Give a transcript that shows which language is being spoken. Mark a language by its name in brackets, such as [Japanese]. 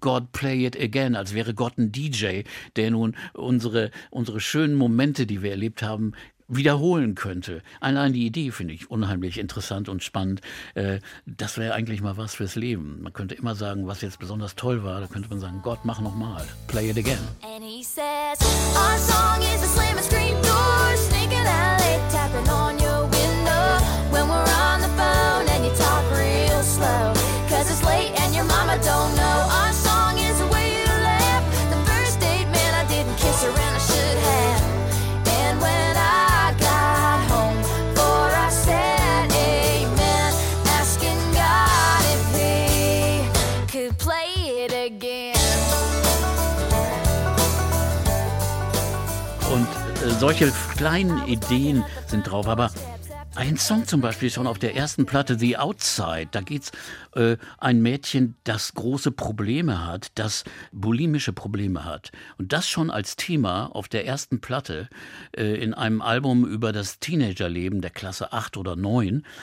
[English] God, play it again, [German] als wäre Gott ein DJ, der nun unsere schönen Momente, die wir erlebt haben, wiederholen könnte. Allein die Idee finde ich unheimlich interessant und spannend. Das wäre eigentlich mal was fürs Leben. Man könnte immer sagen, was jetzt besonders toll war, da könnte man sagen, Gott, mach nochmal. [English] Play it again. And he says, our song is a slam and scream door, sneaking out late, tapping on your window. When we're on the phone and you talk real slow, cause it's late and your mama don't know. Our song is the way you laugh, the first date, man, I didn't kiss her and I should have. And when I got home, for I said amen, asking God if he could play it again. [German] Und solche kleinen Ideen sind drauf, aber Ein Song zum Beispiel schon auf der ersten Platte, The Outside, da geht's ein Mädchen, das große Probleme hat, das bulimische Probleme hat. Und das schon als Thema auf der ersten Platte in einem Album über das Teenagerleben der Klasse 8 oder 9.